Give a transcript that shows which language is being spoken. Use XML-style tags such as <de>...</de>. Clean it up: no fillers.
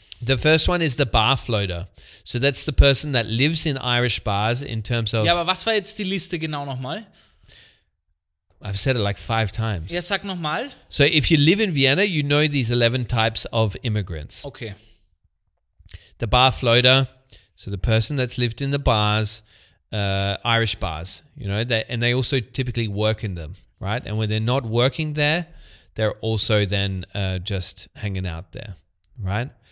<en>The first one is the bar floater. So that's the person that lives in Irish bars in terms of...</en> <de>Ja, aber was war jetzt die Liste genau nochmal?</de> <en>I've said it like 5 times.</en> <de>Ja, sag nochmal.</de> <en>So if you live in Vienna, you know these 11 types of immigrants. Okay. The bar floater, so the person that's lived in the bars, Irish bars, you know, and they also typically work in them, right? And when they're not working there, they're also then just hanging out there, right?</en>